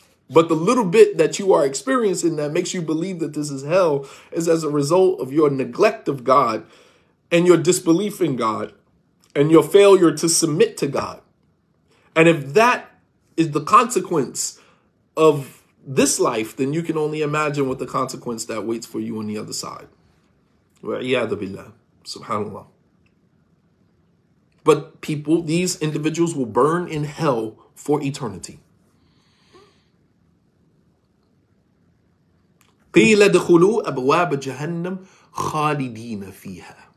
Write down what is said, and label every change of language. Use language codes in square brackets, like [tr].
[en] But the little bit that you are experiencing that makes you believe that this is hell is as a result of your neglect of God and your disbelief in God and your failure to submit to God. And if that is the consequence of this life, then you can only imagine what the consequence that waits for you on the other side. [ar] وَعِيَادَ بِاللَّهِ Subhanallah. [en] But people, these individuals will burn in hell for eternity. [ar] قِيلَ دَخُلُوا أَبْوَابَ جَهَنَّمْ خَالِدِينَ فِيهَا.